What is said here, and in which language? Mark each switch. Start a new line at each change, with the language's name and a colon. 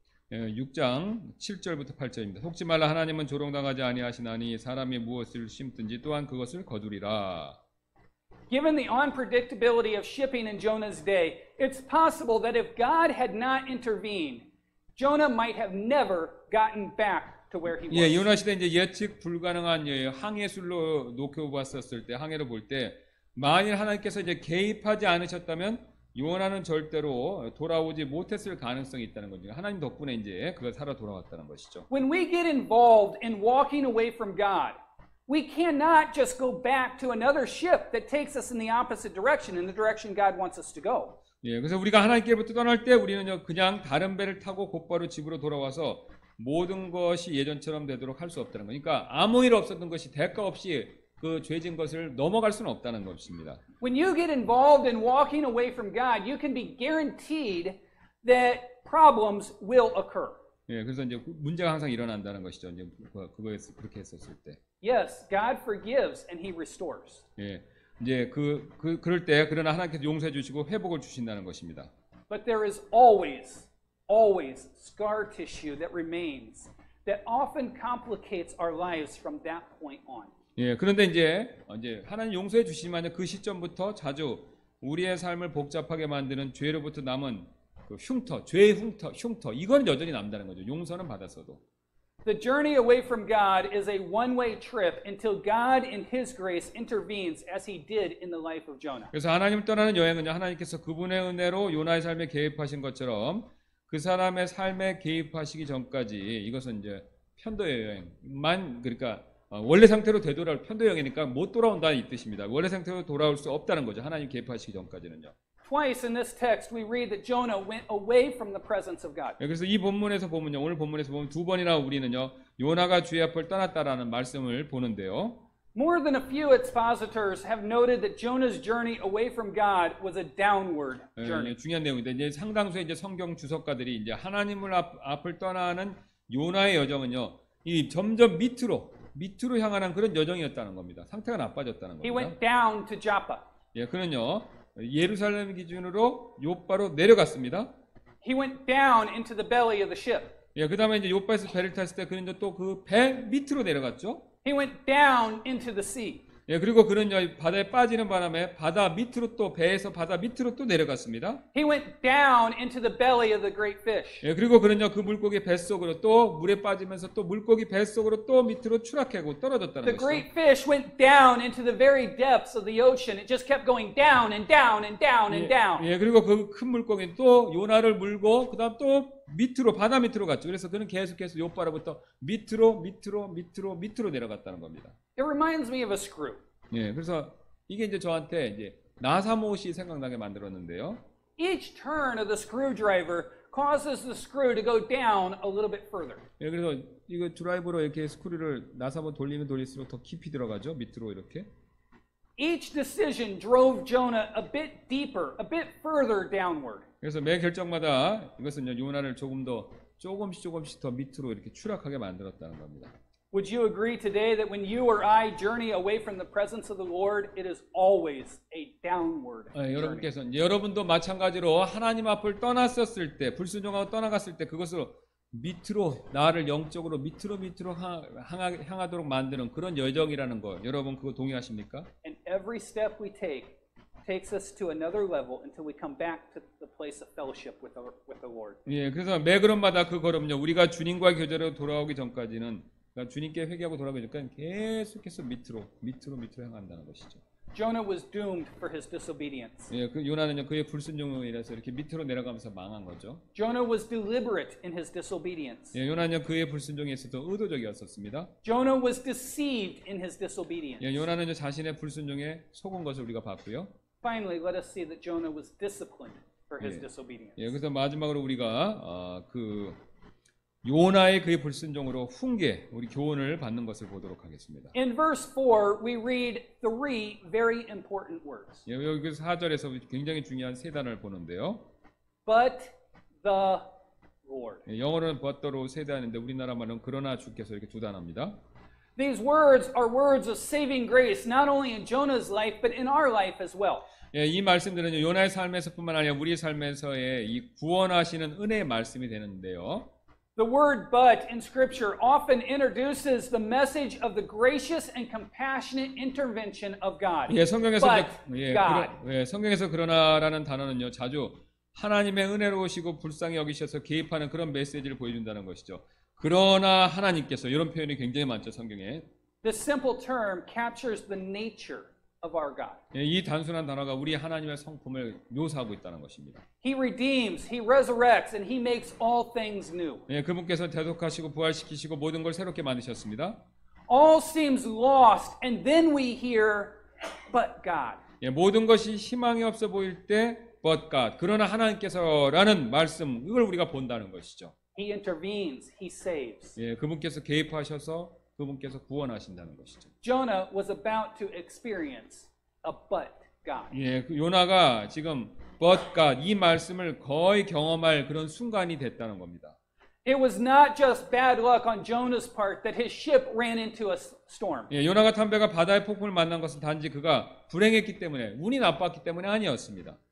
Korean: 6장 7절부터 8절입니다. 속지 말라 하나님은 조롱당하지 아니하시나니 사람이 무엇을 심든지 또한 그것을 거두리라.
English: Given the unpredictability of shipping in Jonah's day, it's possible that if God had not intervened, Jonah might have never gotten back.
Korean: 예, 요나 시대 이제 예측 불가능한 예, 항해술로 놓여봤었을 때 항해로 볼 때 만일 하나님께서 이제 개입하지 않으셨다면 요나는 절대로 돌아오지 못했을 가능성이 있다는 거죠. 하나님 덕분에 이제 그걸 살아 돌아왔다는 것이죠.
English: When we get involved in walking away from God, we cannot just go back to another ship that takes us in the opposite direction, in the direction God wants us to go.
Korean: 예, 그래서 우리가 하나님께로부터 떠날 때 우리는 그냥 다른 배를 타고 곧바로 집으로 돌아와서 모든 것이 예전처럼 되도록 할 수 없다는 거니까 아무 일 없었던 것이 대가 없이 그 죄진 것을 넘어갈 수는 없다는 것입니다.
English: When you get involved in walking away from God, you can be guaranteed that problems will occur.
Korean: 예, 그래서 이제 문제가 항상 일어난다는 것이죠. 이제 그거에서 그렇게 했었을 때.
English: Yes, God forgives and He restores.
Korean: 예, 이제 그럴 때 그러나 하나님께서 용서해 주시고 회복을 주신다는 것입니다.
English: But there is always scar tissue that remains that often complicates our lives from that point on.
Korean: 예, 그런데 이제 하나님 용서해 주시지만 그 시점부터 자주 우리의 삶을 복잡하게 만드는 죄로부터 남은 그 흉터, 죄의 흉터, 흉터 이거는 여전히 남다는 거죠. 용서는 받았어도.
English: The journey away from God is a one-way trip until God in His grace intervenes as He did in the life of Jonah.
Korean: 그래서 하나님 떠나는 여행은요. 하나님께서 그분의 은혜로 요나의 삶에 개입하신 것처럼 그 사람의 삶에 개입하시기 전까지 이것은 이제 편도 여행만 그러니까 원래 상태로 되돌아올 편도 여행이니까 못 돌아온다 이 뜻입니다. 원래 상태로 돌아올 수 없다는 거죠. 하나님 개입하시기 전까지는요.
English: Twice in this text we read that Jonah went away from the presence of God.
Korean: 그래서 이 본문에서 보면요. 오늘 본문에서 보면 두 번이나 우리는요. 요나가 주의 앞을 떠났다라는 말씀을 보는데요.
English: More than a few expositors have noted that Jonah's journey away from God was a downward journey.
Korean: 중요한 내용인데 이제 상당수의 이제 성경 주석가들이 이제 하나님을 앞을 떠나는 요나의 여정은요. 이 점점 밑으로 향하는 그런 여정이었다는 겁니다. 상태가 나빠졌다는 겁니다.
English: He went down to Joppa.
Korean: 예, 그는요. 예루살렘 기준으로 요파로 내려갔습니다.
English: He went down into the belly of the ship.
Korean: 예, 그다음에 이제 요파에서 배를 탔을 때 그는 또 그 배 밑으로 내려갔죠.
English: He went down into the sea.
Korean: 예, 그리고 그는 바다에 빠지는 바람에 바다 밑으로 또 배에서 바다 밑으로 또 내려갔습니다.
English: He went down into the belly of the great fish.
Korean: 예, 그리고 그는 그 물고기 뱃속으로 또 물에 빠지면서 또 물고기 뱃속으로 또 밑으로 추락하고 떨어졌다는 거죠.
English: The great fish went down into the very depths of the ocean. It just kept going down and down and down and down.
Korean: 예, 그리고 그 큰 물고기는 또 요나를 물고 그다음 또 밑으로 바다 밑으로 갔죠. 그래서 그는 계속해서 요파로부터 밑으로 내려갔다는 겁니다.
English: It reminds me of a screw.
Korean: 예, 그래서 이게 이제 저한테 이제 나사못이 생각나게 만들었는데요.
English: Each turn of the screwdriver causes the screw to go down a little bit further.
Korean: 예, 그래서 이거 드라이버로 이렇게 스크류를 나사못 돌리면 돌릴수록 더 깊이 들어가죠. 밑으로 이렇게.
English: Each decision drove Jonah a bit deeper, a bit further downward.
Korean: 그래서 매 결정마다 이것은 요나를 조금씩 더 밑으로 이렇게 추락하게 만들었다는 겁니다.
English: Would you agree today that when you or I journey away from the presence of the Lord, it is always a downward journey?
Korean: 여러분도 마찬가지로 하나님 앞을 떠났었을 때, 불순종하고 떠나갔을 때 그것으로 밑으로 나를 영적으로 밑으로 향하도록 만드는 그런 여정이라는 거 여러분 그거 동의하십니까?
English: And every step we take takes us to another level until we come back to the place of fellowship with the Lord.
Korean: 예, 그래서 매 걸음마다 그 걸음요. 우리가 주님과 교제로 돌아오기 전까지는 그러니까 주님께 회개하고 돌아오기 전까지는 계속해서 밑으로 향한다는 것이죠.
English: Jonah was doomed for his disobedience.
Korean: 예, 그 요나는요 그의 불순종이라서 이렇게 밑으로 내려가면서 망한 거죠.
English: Jonah was deliberate in his disobedience.
Korean: 예, 요나는요 그의 불순종에서도 의도적이었었습니다.
English: Jonah was deceived in his disobedience.
Korean: 예, 요나는요 자신의 불순종에 속은 것을 우리가 봤고요.
English: Finally, let us see that Jonah was disciplined for his disobedience.
Korean: 예, 그래서 마지막으로 우리가 그 요나의 그의 불순종으로 훈계, 우리 교훈을 받는 것을 보도록 하겠습니다.
English: In verse 4, we read three very important words.
Korean: 여기 4절에서 굉장히 중요한 세 단어를 보는데요.
English: But the Lord.
Korean: 영어로는
English: but the
Korean: 로 세 단어인데 우리나라 말은 그러나 주께서 이렇게 두 단어입니다.
English: These words are words of saving grace, not only in Jonah's life, but in our life as well.
Korean: 예, 이 말씀들은 요나의 삶에서뿐만 아니라 우리 삶에서의 이 구원하시는 은혜의 말씀이 되는데요.
English: The word but in scripture often introduces the message of the gracious and compassionate intervention of God.
Korean: 예, 성경에서 but 예, God. 예, 성경에서 그러나라는 단어는요, 자주 하나님의 은혜로우시고 불쌍히 여기셔서 개입하는 그런 메시지를 보여준다는 것이죠. 그러나 하나님께서 이런 표현이 굉장히 많죠, 성경에.
English: This simple term captures the nature of our God.
Korean: 예, 이 단순한 단어가 우리 하나님의 성품을 묘사하고 있다는 것입니다.
English: He redeems, he resurrects and he makes all things new.
Korean: 예, 그분께서 대속하시고 부활시키시고 모든 걸 새롭게 만드셨습니다.
English: All seems lost and then we hear but God.
Korean: 예, 모든 것이 희망이 없어 보일 때
English: but God.
Korean: 그러나 하나님께서라는 말씀 이걸 우리가 본다는 것이죠.
English: He intervenes, he saves.
Korean: 예, 그분께서 개입하셔서 그분께서 구원하신다는 것이죠.
English: Jonah was about to experience a but God.
Korean: 예, 요나가 지금
English: but God
Korean: 이 말씀을 거의 경험할 그런 순간이 됐다는 겁니다.
English: It was not just bad luck on Jonah's part that his ship ran into a storm.
Korean: 예, 요나가 탄배가 바다의 폭풍을 만난 것은 단지 그가 불행했기 때문에 운이 나빴기 때문에 아니었습니다.